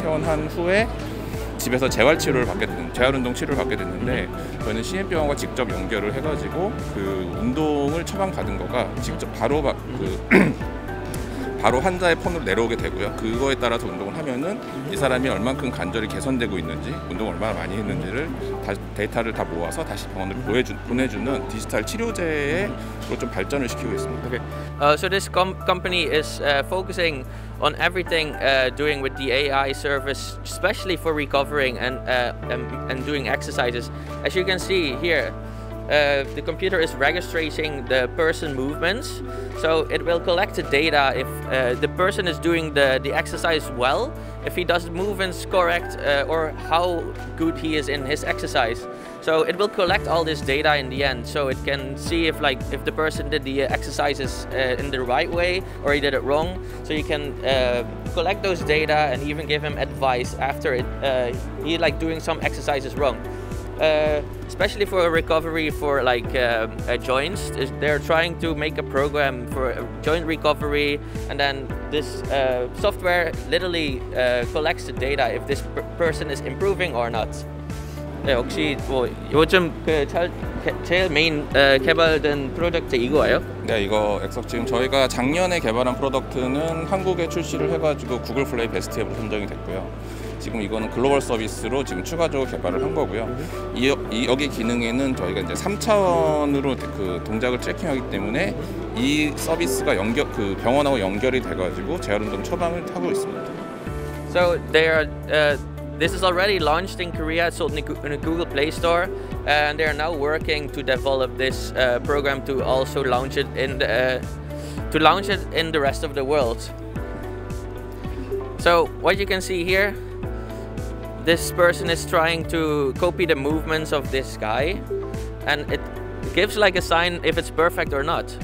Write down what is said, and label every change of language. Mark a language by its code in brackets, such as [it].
[ko] 퇴원한 후에 집에서 재활 치료를 받게 되는, 재활 운동 치료를 받게 됐는데, 저희는 CM병원과 직접 연결을 해가지고 그 운동을 처방받은 거가 직접 바로 그 바로 환자의 폰으로 내려오게 되고요. 그거에 따라서 운동을 하면은 이 사람이 얼만큼 관절이 개선되고 있는지, 운동을 얼마나 많이 했는지를 데이터를 다 모아서 다시 병원으로 보내주는 디지털 치료제로 좀 발전을 시키고 있습니다. [en] Okay. So this company is focusing on everything doing with the AI service, especially for recovering and doing exercises. As you can see here, the computer is registering the person movements, so it will collect the data if the person is doing the exercise well, if he does movements correct, or how good he is in his exercise. So it will collect all this data in the end, so it can see if like if the person did the exercises in the right way or he did it wrong. So you can collect those data and even give him advice after it, he like doing some exercises wrong. Especially for recovery for like joints, they're trying to make a program for joint recovery, and then this software literally collects the data if this person is improving or not. [ko] 네, 혹시 뭐 요즘 제일 메인 개발된 프로젝트 이거예요? 네, 이거 엑석 지금 저희가 작년에 개발한 프로덕트는 한국에 출시를 해가지고 구글 플레이 베스트 앱으로 선정이 됐고요. 지금 이거는 글로벌 서비스로 지금 추가적으로 개발을 한 거고요. 여기 기능에는 저희가 이제 3차원으로 그 동작을 트래킹하기 때문에 이 서비스가 연결 그 병원하고 연결이 돼 가지고 재활 운동 처방을 하고 있습니다. [en] So they are this is already launched in Korea, sold in the Google Play Store, and they are now working to develop this program to also launch it in the rest of the world. So what you can see here, this person is trying to copy the movements of this guy, and it gives like a sign if it's perfect or not.